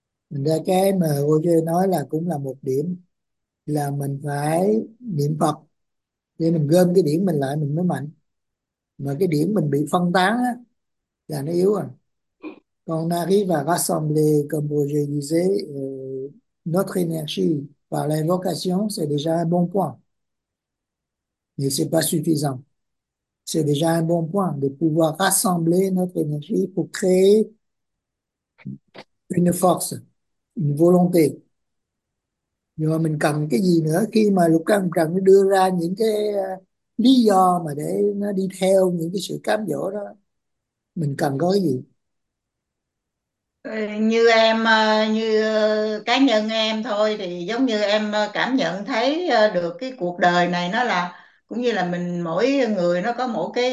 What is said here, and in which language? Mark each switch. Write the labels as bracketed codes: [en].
[vi] Mình ra cái mà cô chưa nói là cũng là một điểm là mình phải niệm Phật để mình gom cái điểm mình lại mình mới mạnh, mà cái điểm mình bị phân tán á là nó yếu à. Còn nari và [fr] rassembler comme vous le disiez notre énergie par l'invocation c'est déjà un bon point mais c'est pas suffisant. C'est déjà un bon point de pouvoir rassembler notre énergie pour créer une force, une volonté. [vi] Nhưng mà mình cần cái gì nữa khi mà lục căn trần nó đưa ra những cái lý do mà để nó đi theo những cái sự cám dỗ đó, mình cần có cái gì? Như em, như cá nhân em thôi thì giống như em cảm nhận thấy được cái cuộc đời này nó là cũng như là mình mỗi người nó có một